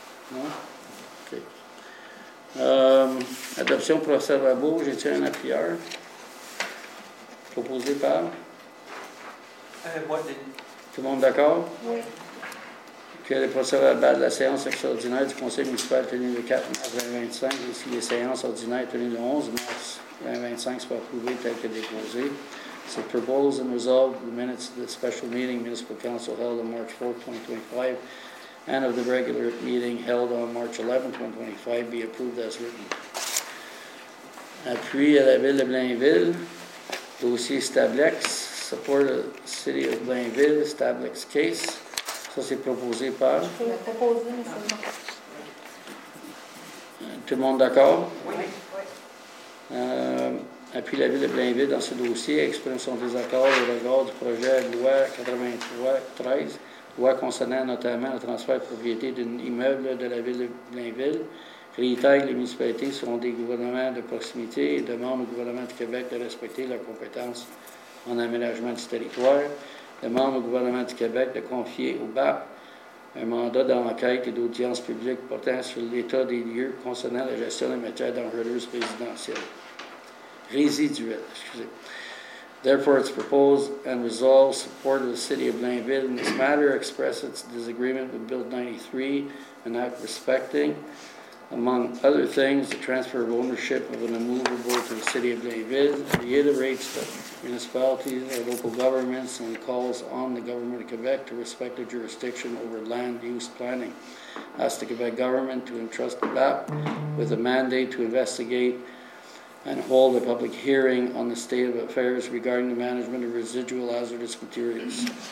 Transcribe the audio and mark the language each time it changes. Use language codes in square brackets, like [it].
[fr] Non? Adoption procès verbaux, j'ai tiré un appuyeur. Proposé par. Moi, Denis. Tout le monde d'accord? Oui. Que le procès verbal de la séance extraordinaire du conseil municipal tenu le 4 mars 2025, ainsi que les séances ordinaires tenues le 11 mars 2025 soient approuvées telles que déposées. [en] So, propose and resolve the minutes of the special meeting municipal council held on March 4, 2025. And of the regular meeting held on March 11, 2025, be approved as written. [fr] Appui à la ville de Blainville, dossier Stablex, [en] support the city of Blainville, Stablex case. [fr] Ça, c'est proposé par. Je peux le proposer, mais c'est bon. Tout le monde d'accord? Oui. Appui la ville de Blainville dans ce dossier, exprime son désaccord au regard du projet de loi 83-13. Loi concernant notamment le transfert de propriété d'un immeuble de la ville de Blainville, réitère que les municipalités sont des gouvernements de proximité et demande au gouvernement du Québec de respecter leurs compétences en aménagement du territoire, demande au gouvernement du Québec de confier au BAP un mandat d'enquête et d'audience publique portant sur l'état des lieux concernant la gestion des matières dangereuses résidentielles. Résiduelles, excusez. [en] Therefore, it's proposed and resolved support of the City of Blainville in this matter, express its disagreement with Bill 93, and act respecting, among other things, the transfer of ownership of an immovable to the City of Blainville, reiterates the municipalities and local governments, and calls on the Government of Quebec to respect the jurisdiction over land use planning, asks the Quebec government to entrust the BAP with a mandate to investigate and hold a public hearing on the state of affairs regarding the management of residual hazardous materials.